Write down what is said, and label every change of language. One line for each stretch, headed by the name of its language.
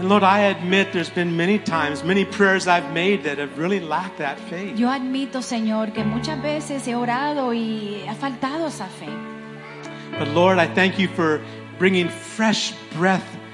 English: And Lord, I admit there's been many times, many prayers I've made that have really lacked that faith.
Spanish: Yo admito, Señor, que muchas veces he orado y ha faltado esa fe.
English: But Lord, I thank you for bringing fresh breath